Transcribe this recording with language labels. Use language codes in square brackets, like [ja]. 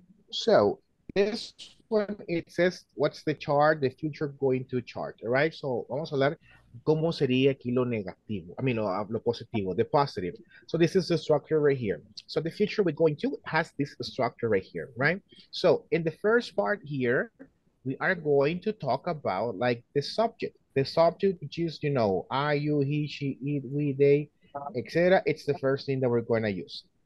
[en] So this one, it says, what's the chart, the future going to chart, all right? [es] So vamos a hablar, ¿cómo sería aquí lo negativo? [en] I mean, [es] lo positivo, [en] the positive. So this is the structure right here. So the future we're going to has this structure right here, right? So in the first part here, we are going to talk about like the subject. The subject, which is, you know, I, you, he, she, it, we, they, etc. It's the first thing that we're going to use.